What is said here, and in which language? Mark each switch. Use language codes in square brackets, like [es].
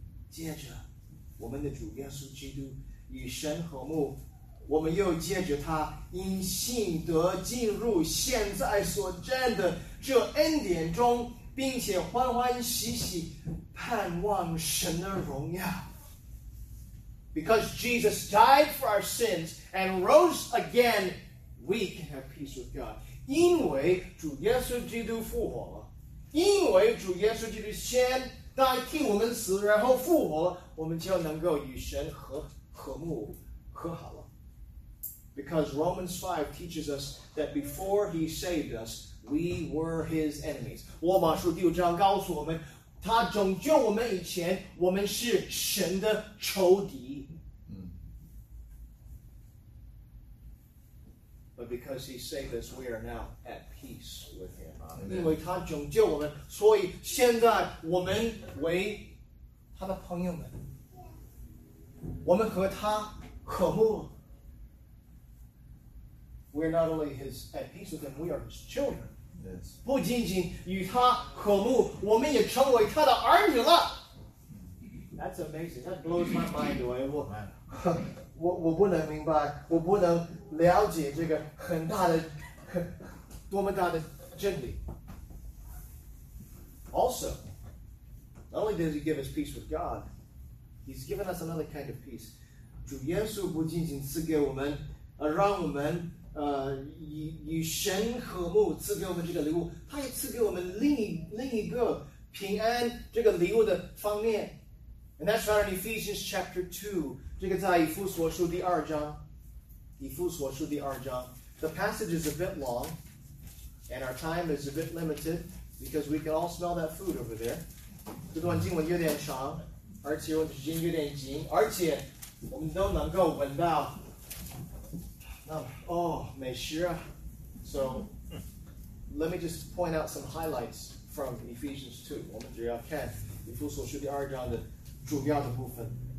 [zh] 借着我们的主耶稣基督与神和睦，我们又借着他因信得进入现在所占的这恩典中，并且欢欢喜喜盼望神的荣耀。 [en] Because Jesus died for our sins and rose again, we can have peace with God. [zh] 因为主耶稣基督复活了，因为主耶稣基督先代替我们死然后复活了，我们就能够与神 和睦和好了。 [en] Because Romans 5 teaches us that before he saved us, we were his enemies. [zh] 罗马书第五章告诉我们，他拯救我们以前，我们是神的仇敌。 [en] But because he saved us, we are now at peace with him. [zh] 因为他拯救我们，所以现在我们为他的朋友们，我们和他和睦。 [en] We are not only his at peace with him, we are his children. Yes. [zh] 不仅仅与他和睦，我们也成为他的儿女了。 [en] That's amazing. That blows my mind away. [zh] 我不能明白，我不能了解这个很大的、多么大的真理。 [en] Also, not only does he give us peace with God, he's given us another kind of peace. [zh] 主耶稣不仅仅赐给我们，让我们与神和睦，赐给我们这个礼物，他也赐给我们另一个平安这个礼物的方面。 [en] And that's found in Ephesians chapter 2. [zh] 这个在以弗所书第二章。以弗所书第二章。 [en] The passage is a bit long, and our time is a bit limited, because we can all smell that food over there. [zh] 这段经文有点长，而且我时间有点紧，而且我们都能够闻到。 [en] Oh, Meshira. So, let me just point out some highlights from Ephesians 2. [zh] 我们只要看以弗所书第二章的主要的部分。